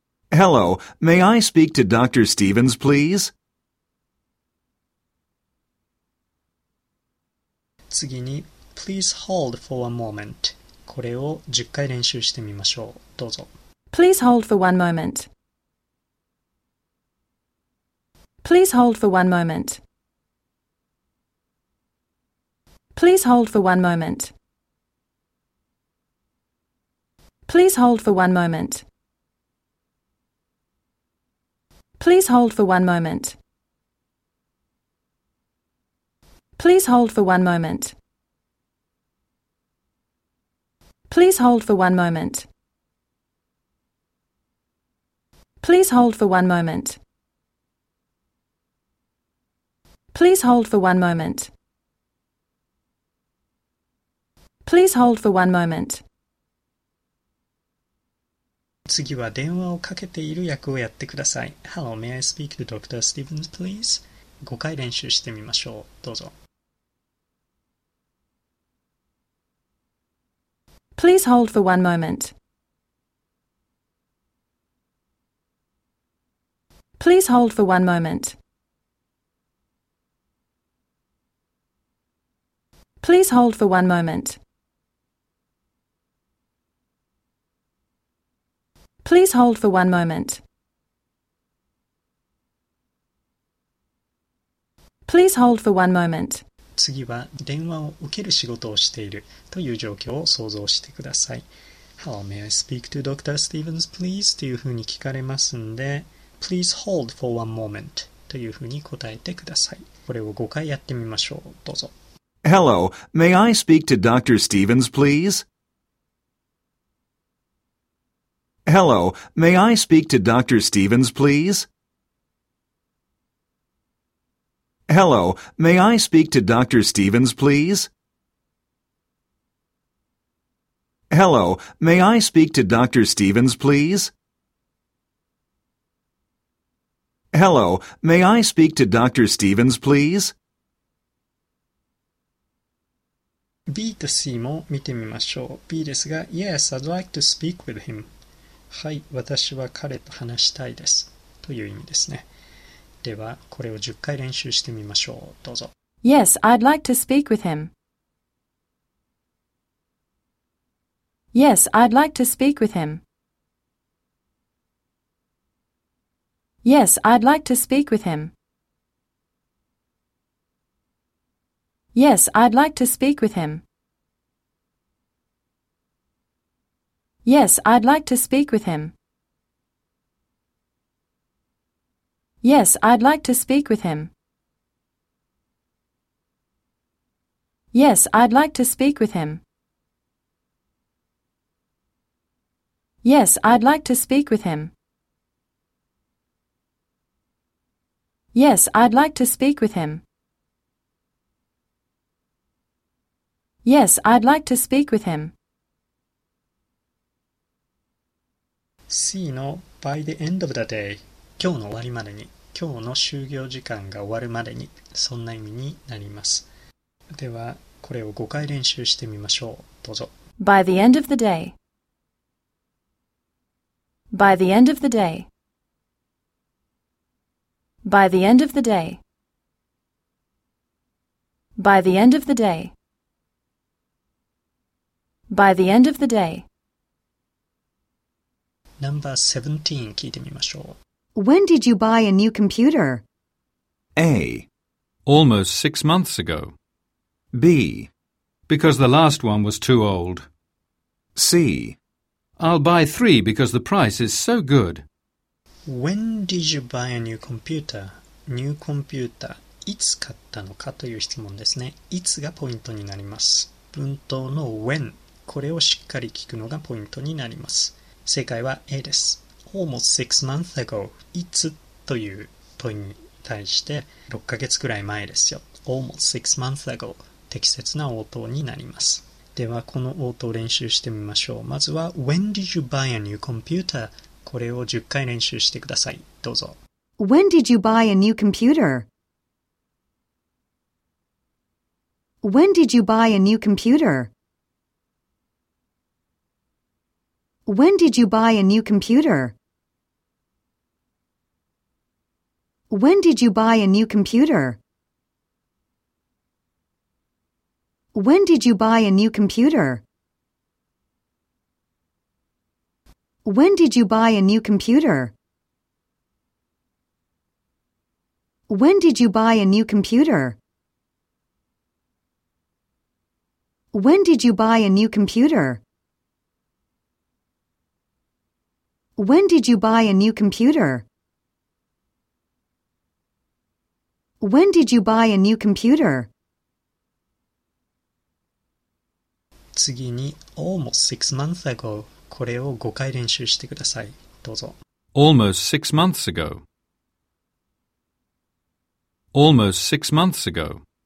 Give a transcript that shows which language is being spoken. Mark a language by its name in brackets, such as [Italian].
[English] Hello, may I speak to Dr. Stevens, please? [Japanese] 次に、 [English] Please hold for a moment. [Japanese] これを10回練習してみましょう。どうぞ。 [English] Please hold for one moment. Please hold for one moment. Please hold for one moment. Please hold for one moment. Please hold for one moment. Please hold for one moment. Please hold for one moment. Please hold for one moment. Please hold for one moment. Please hold for one moment. [Japanese] 次は電話をかけている役をやってください。 [English] Hello, may I speak to Dr. Stevens, please? [Japanese] 5回練習してみましょう。どうぞ。 [English] Please hold for one moment. Please hold for one moment. Please hold for one moment. Please hold for one moment. Please hold for one moment. [Japanese] 次は電話を受ける仕事をしているという状況を想像してください。 [English] Hello, may I speak to Dr. Stevens, please? [Japanese] というふうに聞かれますので、 [English] Please hold for one moment. [Japanese] というふうに答えてください。これを5回やってみましょう。どうぞ。 [English] Hello, may I speak to Dr. Stevens, please? Hello, may I speak to Dr. Stevens, please? Hello, may I speak to Dr. Stevens, please? Hello, may I speak to Dr. Stevens, please? Hello, may I speak to Dr. Stevens, please? [Japanese] B と C も見てみましょう。B ですが、 [English] Yes, I'd like to speak with him. [Japanese] はい、私は彼と話したいですという意味ですね。ではこれを10回練習してみましょう。どうぞ。 [English] Yes, I'd like to speak with him. Yes, I'd like to speak with him. Yes, I'd like to speak with him. Yes, I'd like to speak with him. Yes, I'd like to speak with him. Yes, I'd like to speak with him. Yes, I'd like to speak with him. Yes, I'd like to speak with him. Yes, I'd like to speak with him. Yes, I'd like to speak with him. [Japanese] C の [English] by the end of the day、 [Japanese] 今日の終わりまでに、今日の就業時間が終わるまでに、そんな意味になります。ではこれを5回練習してみましょう。どうぞ。 [English] By the end of the day. By the end of the day. By the end of the day. By the end of the day. By the end of the day. Number 17 [Japanese] 聞いてみましょう。 [English] When did you buy a new computer? A. Almost 6 months ago. B. Because the last one was too old. C. I'll buy 3 because the price is so good. When did you buy a new computer? New computer. [Japanese] いつ買ったのかという質問ですね。いつがポイントになります。文頭の when、 これをしっかり聞くのがポイントになります。正解は A です。 [English] Almost 6 months ago、 [Japanese] いつという問いに対して6ヶ月くらい前ですよ。 [English] Almost 6 months ago、 [Japanese] 適切な応答になります。ではこの応答を練習してみましょう。まずは [English] When did you buy a new computer? [Japanese] これを10回練習してください。どうぞ。 [English] When did you buy a new computer? When did you buy a new computer? When did you buy a new computer? When did you buy a new computer? When did you buy a new computer? When did you buy a new computer? When did you buy a new computer? When did you buy a new computer? When did you buy a new computer? When did you buy a new computer? [Japanese] 次に [English] almost 6 months ago、 [Japanese] これを5回練習してください。どうぞ。 [English] Almost 6 months ago. Almost 6 months ago.